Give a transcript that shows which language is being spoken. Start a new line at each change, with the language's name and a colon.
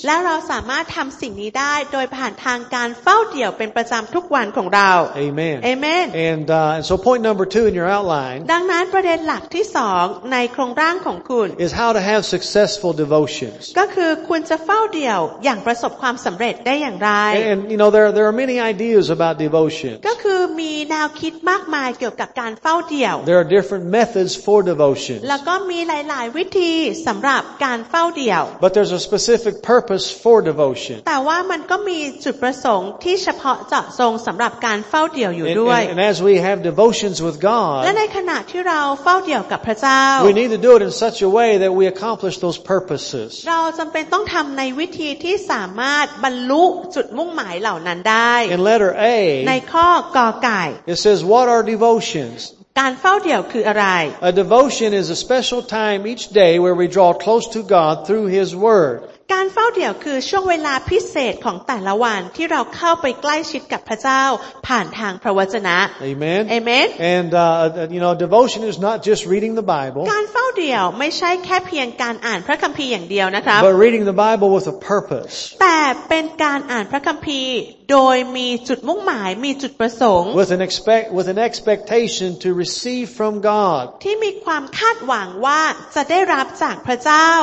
Thai: และเราสามารถทำสิ่งนี้ได้โดยผ่านทางการเฝ้าเดี่ยวเป็นประจำทุกวันของเรา
English: Amen. Amen. And so point number two in your outline.
Thai: ดังนั้นประเด็นหลักที่สองในโครงร่างของคุณ
English: is how to have successful devotions
Thai: ก็คือคุณจะเฝ้าเดี่ยวอย่างประสบความสำเร็จได้อย่างไร
English: and you know there are many ideas about devotion
Thai: ก็คือมีแนวคิดมากมายเกี่ยวกับการเฝ้าเดี่ยว
English: there are different methods for devotion
Thai: แล้วก็มีหลายๆวิธีสำหรับการเฝ้าเดี่ยว
English: but there's a specific purpose for devotion
Thai: แต่ว่ามันก็มีจุดประสงค์ที่เฉพาะเจาะจงสำหรับการเฝ้าเดี่ยวอยู่ด้วย
English: and as we have devotions with God
Thai: และในขณะที่เราเฝ้าเดี่ยวกับพระเจ้า
English: We need to do it in such a way that we accomplish those purposes.
Thai: เราจำเป็นต้องทำในวิธีที่สามารถบรรลุจุดมุ่งหมายเหล่านั้นได้
English: In letter A,
Thai: ในข้อกอไก่
English: It says, "What are devotions?"
Thai: การเฝ้าเดี่ยวคืออะไร
English: A devotion is a special time each day where we draw close to God through His Word.
Thai: การเฝ้าเดี่ยวคือช่วงเวลาพิเศษของแต่ละวันที่เราเข้าไปใกล้ชิดกับพระเจ้าผ่านทางพระวจนะ
English: Amen. Amen. And you know, devotion is not just reading the Bible.
Thai: การเฝ้าเดี่ยวไม่ใช่แค่เพียงการอ่านพระคัมภีร์อย่างเดียวนะครับ
English: But reading the Bible with a purpose.
Thai: แต่เป็นการอ่านพระคัมภีร์โดยมีจุดมุ่งหมายมีจุดประสงค์
English: with an expectation to receive from God
Thai: ที่มีความคาดหวังว่าจะได้รับจากพระเจ้า